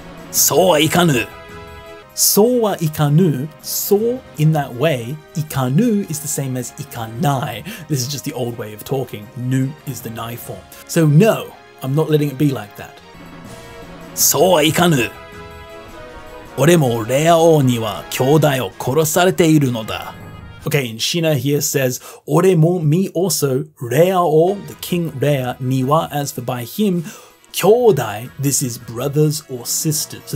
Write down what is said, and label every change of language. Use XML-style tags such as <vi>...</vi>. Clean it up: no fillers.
<ja>So wa ikanu. So wa ikanu,</ja> <en>so in that way, ikanu is the same as ikanai. This is just the old way of talking. Nu is the nai form. So no, I'm not letting it be like that.</en> <ja>そうはいかぬ。俺もレア王には兄弟を殺されているのだ。</ja> <en>Okay, and Shina here says, 俺も me also, レア王, the king</en> <ja>レアには,</ja> <en>as for by him, 兄弟, this is brothers or sisters.</en>